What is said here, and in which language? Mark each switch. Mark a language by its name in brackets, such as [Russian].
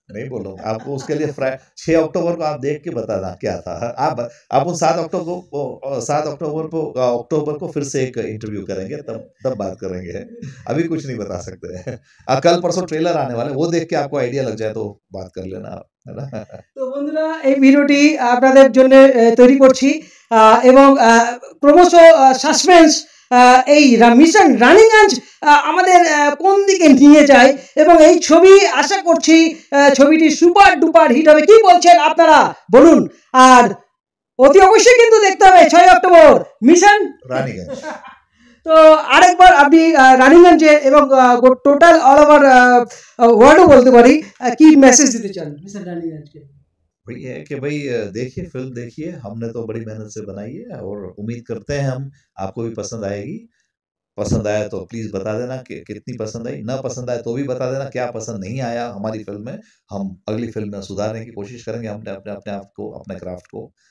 [Hindi] नहीं बोलो आपको उसके लिए 6 अक्टूबर को आप देख के बताना क्या था। आप उन 7 अक्टूबर को फिर से एक इंटरव्यू करेंगे, तब बात करेंगे, अभी कुछ नहीं बता सकते। कल परसों ट्रेलर आने वाले, वो देख के आपको आइडिया लग जाए तो बात कर लेना आप, है ना। [Bangla] तो बंधुरा এই ভিডিওটি আপনাদের জন্য তৈরি করছি এবং প্রমোশ সাসপেন্স এই মিশন রানিগঞ্জ আমাদের কোন দিকে নিয়ে যায় এবং এই ছবি আশা করছি ছবিটি সুপার ডুপার হিট হবে, কি বলছেন আপনারা বলুন। আর অতি অবশ্যই কিন্তু দেখতে হবে 6 অক্টোবর মিশন রানিগঞ্জ। তো আরেকবার আপনি রানিগঞ্জে এবং টোটাল অল ওভার ওয়ার্ল্ডও বলতে পারি কি মেসেজ দিতে চান মিশন রানিগঞ্জকে? [Hindi] वही है कि भाई देखिए फिल्म देखिए, हमने तो बड़ी मेहनत से बनाई है और उम्मीद करते हैं हम आपको भी पसंद आएगी। पसंद आया तो प्लीज़ बता देना कितनी पसंद आई, ना पसंद आया तो भी बता देना क्या पसंद नहीं आया हमारी फिल्म में, हम अगली फिल्म में सुधारने की कोशिश करेंगे हमने अपने अपने आप को, अपने क्राफ्ट को।